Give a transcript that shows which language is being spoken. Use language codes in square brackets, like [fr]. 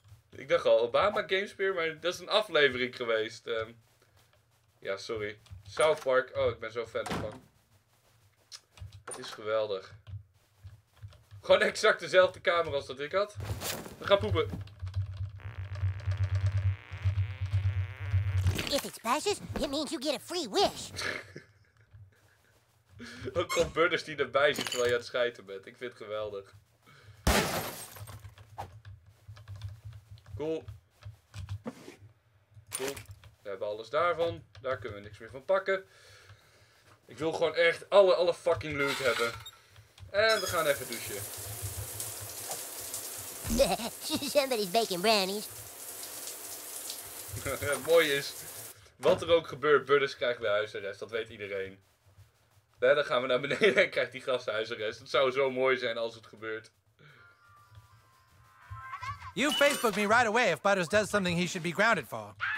[nl] Ik dacht al, Obama Gamespeer, maar dat is een aflevering geweest. Ja, sorry. South Park, oh, ik ben zo fan ervan. Het is geweldig. Gewoon exact dezelfde kamer als dat ik had. We gaan poepen. [en] If it splashes, it means you get a free wish. [nl] Ook komt Butters die erbij zit terwijl je aan het schijten bent. Ik vind het geweldig. Cool. We hebben alles daarvan. Daar kunnen we niks meer van pakken. Ik wil gewoon echt alle fucking loot hebben. En we gaan even douchen. [en] Somebody's baking brownies. [nl] Mooi is, wat er ook gebeurt, Butters krijgt weer huisarrest. Dat weet iedereen. Ja, dan gaan we naar beneden en krijgt die gast huisarrest. Het zou zo mooi zijn als het gebeurt. [en] You Facebook me right away if Butters does something he should be grounded for.